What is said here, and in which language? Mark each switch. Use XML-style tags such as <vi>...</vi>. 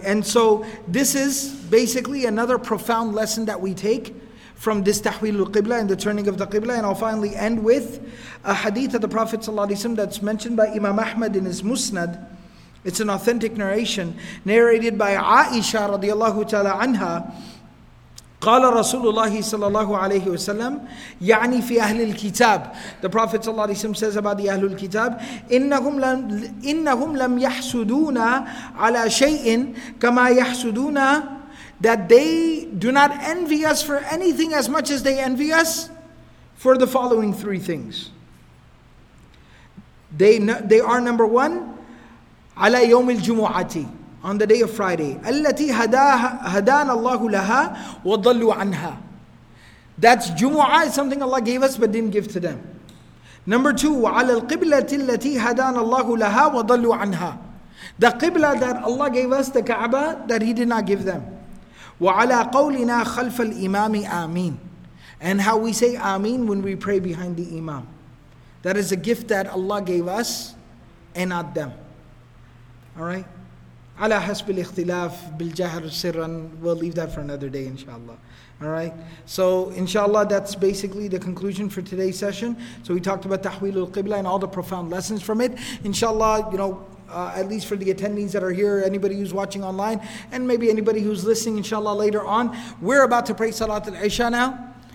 <en>And so this is basically another profound lesson that we take from this tahweel al-qibla and the turning of the qibla. And I'll finally end with a hadith of the Prophet ﷺ that's mentioned by Imam Ahmad in his Musnad. It's an authentic narration narrated by Aisha radiallahu ta'ala anha.</en> <ar>قال رسول الله صلى الله عليه وسلم يعني في أهل الكتاب.</ar> <en>The Prophet صلى الله عليه وسلم says about the أهل الكتاب</en> <ar>إنهم لم يحسدون على شيء كما يحسدون,</ar> <en>that they do not envy us for anything as much as they envy us for the following three things. They are number one,</en> <ar>على يوم الجمعة,</ar> <en>on the day of Friday,</en> <ar>التي هدانا الله لها وضلوا عنها.</ar> <en>That's Jumu'ah, is something Allah gave us but didn't give to them. Number two,</en> <ar>على القبلة التي هدانا الله لها وضلوا عنها.</ar> <en>The Qibla that Allah gave us, the Kaaba, that He did not give them.</en> <ar>وعلى قولنا خلف الإمام آمين.</ar> <en>And how we say آمين when we pray behind the Imam. That is a gift that Allah gave us and not them. All right?</en> <ar>على حسب الاختلاف بالجهر سرا.</ar> <en>We'll leave that for another day, inshallah. Alright, so inshallah, that's basically the conclusion for today's session. So we talked about tahweel al-qibla and all the profound lessons from it. Inshallah, you know, at least for the attendees that are here, anybody who's watching online, and maybe anybody who's listening, inshallah, later on, we're about to pray Salat al-Isha now.</en>